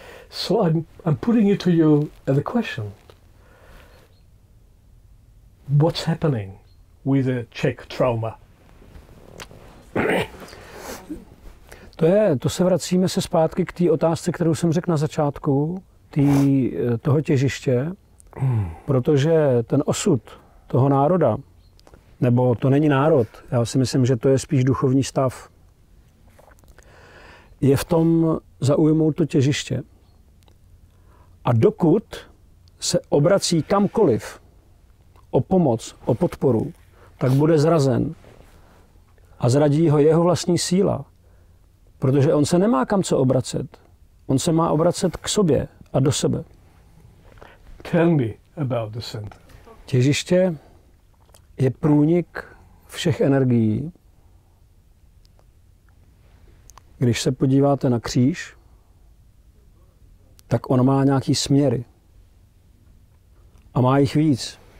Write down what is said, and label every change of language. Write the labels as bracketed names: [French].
[English] So I'm putting it to you as a question. What's happening with the Czech trauma? [Czech] To se vracíme se zpátky k té otázce, kterou jsem řekl na začátku, toho těžiště, protože ten osud toho národa, nebo to není národ, já si myslím, že to je spíš duchovní stav, je v tom zaujmout to těžiště. A dokud se obrací kamkoliv o pomoc, o podporu, tak bude zrazen a zradí ho jeho vlastní síla. Protože on se nemá kam co obracet. On se má obracet k sobě a do sebe. [English] Tell me about the center. [Czech] Těžiště je průnik všech energií. Když se podíváte na kříž, tak on má nějaký směry. A má jich víc.